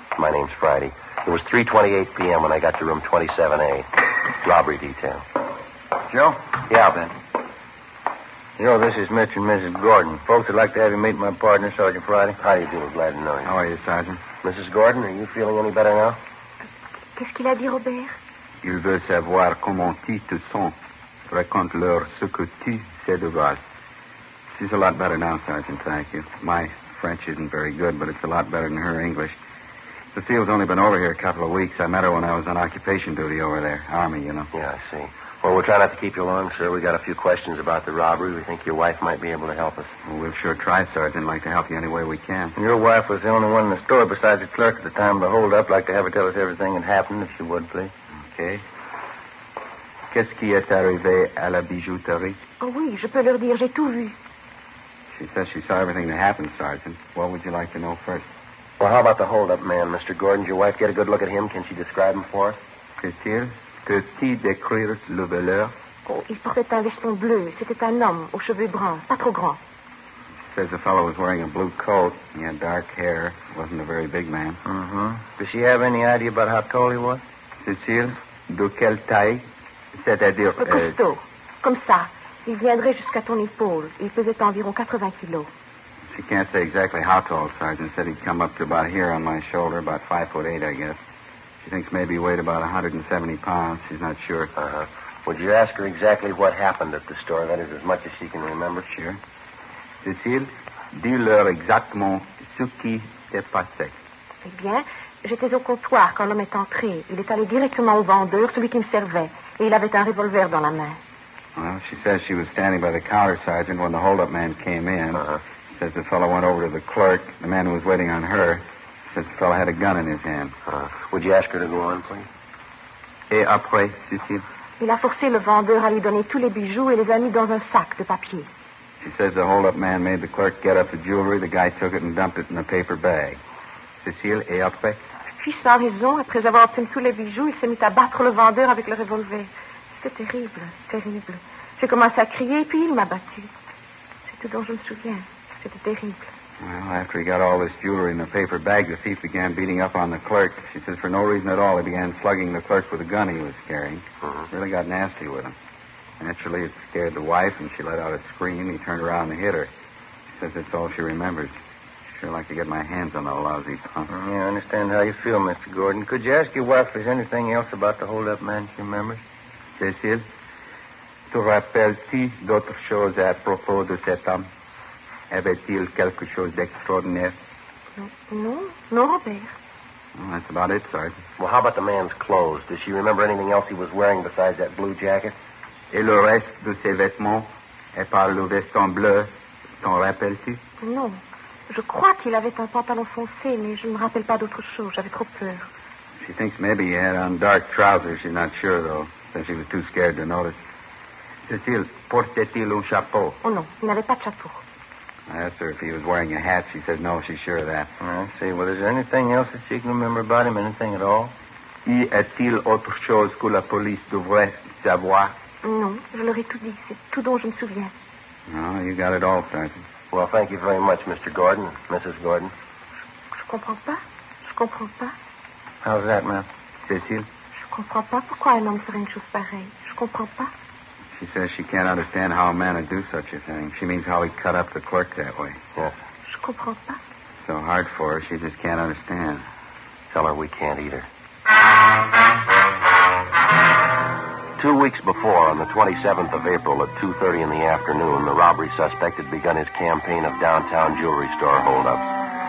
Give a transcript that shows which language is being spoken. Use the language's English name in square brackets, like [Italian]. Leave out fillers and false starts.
[English] My name's Friday. It was 3:28 p.m. when I got to room 27A. Robbery detail. Joe? Yeah, Ben. You know, this is Mr. and Mrs. Gordon. Folks would like to have you meet my partner, Sergeant Friday. How do you do? Glad to know you. How are you, Sergeant? Mrs. Gordon, are you feeling any better now? [French] Qu'est-ce qu'il a dit, Robert? Il veut savoir comment tu te sens. Raconte-leur ce que tu sais de vas. [English] She's a lot better now, Sergeant. Thank you. My French isn't very good, but it's a lot better than her English. The field's only been over here a couple of weeks. I met her when I was on occupation duty over there. Army, you know. Yeah, I see. Well, we'll try not to keep you long, sir. We got a few questions about the robbery. We think your wife might be able to help us. Well, we'll sure try, Sergeant. Like to help you any way we can. And your wife was the only one in the store besides the clerk at the time of the holdup. Like to have her tell us everything that happened, if you would, please. Okay. [French] Qu'est-ce qui est arrivé à la bijouterie? Oh, oui, je peux leur dire, j'ai tout vu. [English] She says she saw everything that happened, Sergeant. What would you like to know first? Well, how about the holdup man, Mr. Gordon? Did your wife get a good look at him? Can she describe him for us? [French] Peut-il décrire le voleur? Oh, il portait un veston bleu. C'était un homme aux cheveux bruns, pas trop grand. [English] She says the fellow was wearing a blue coat. He had dark hair. Wasn't a very big man. Mm-hmm. Does she have any idea about how tall he was? [French] Cécile, de quelle taille? C'est-à-dire... Costaud. Comme ça. Il viendrait jusqu'à ton épaule. Il faisait environ 80 kilos. [English] She can't say exactly how tall, Sergeant. Said he'd come up to about here on my shoulder, about 5'8", I guess. She thinks maybe he weighed about 170 pounds. She's not sure. Uh-huh. Would you ask her exactly what happened at the store? That is as much as she can remember. Sure. [French] Cécile, dis-leur exactement ce qui s'est passé. Eh bien, j'étais au comptoir quand l'homme est entré. Il est allé directement au vendeur, celui qui me servait. Et il avait un revolver dans la main. [English] Well, she says she was standing by the counter, Sergeant, when the hold-up man came in. Uh-huh. Says the fellow went over to the clerk, the man who was waiting on her. Says the fellow had a gun in his hand. Would you ask her to go on, please? [French] Et après, Cécile? Il a forcé le vendeur à lui donner tous les bijoux et les a mis dans un sac de papier. [English] She says the hold-up man made the clerk get up the jewelry. The guy took it and dumped it in a paper bag. [French] Cécile, et après? Puis sans raison, après avoir obtenu tous les bijoux, il s'est mis à battre le vendeur avec le revolver. C'était terrible, terrible. J'ai commencé à crier, puis il m'a battu. C'est tout dont je me souviens. C'était terrible. [English] Well, after he got all this jewelry in the paper bag, the thief began beating up on the clerk. She says for no reason at all, he began slugging the clerk with a gun he was carrying. Mm-hmm. Really got nasty with him. Naturally, it scared the wife, and she let out a scream. He turned around and hit her. She says that's all she remembers. Sure like to get my hands on that lousy pump. Yeah, I understand how you feel, Mr. Gordon. Could you ask your wife if there's anything else about the hold-up man she remembers? [French] Cécile, tu rappelles-tu d'autres choses à propos de cet homme? Avait-il quelque chose d'extraordinaire? Non, Robert. [English] That's about it, Sergeant. Well, how about the man's clothes? Does she remember anything else he was wearing besides that blue jacket? [French] Et le reste de ses vêtements, et par le veston bleu, t'en rappelles-tu? Non. Je crois qu'il avait un pantalon foncé, mais je ne me rappelle pas d'autre chose. J'avais trop peur. [English] She thinks maybe he had on dark trousers. She's not sure, though, since she was too scared to notice. [French] Cécile, portait-il un chapeau? Oh, non. Il n'avait pas de chapeau. [English] I asked her if he was wearing a hat. She said no, she's sure of that. I see. Well, is there anything else that she can remember about him? Anything at all? [French] Y a-t-il autre chose que la police devrait savoir? Non, je leur ai tout dit. C'est tout dont je me souviens. [English] No, you got it all, Sergeant. Well, thank you very much, Mr. Gordon, Mrs. Gordon. [French] Je comprends pas. Je comprends pas. [English] How's that, ma'am? Cécile? [French] Je comprends pas pourquoi un homme ferait une chose pareille. Je comprends pas. [English] She says she can't understand how a man would do such a thing. She means how he cut up the clerk that way. Yes. [French] Je comprends pas. [English] So hard for her, she just can't understand. Tell her we can't either. 2 weeks before, on the 27th of April at 2:30 in the afternoon, the robbery suspect had begun his campaign of downtown jewelry store holdups.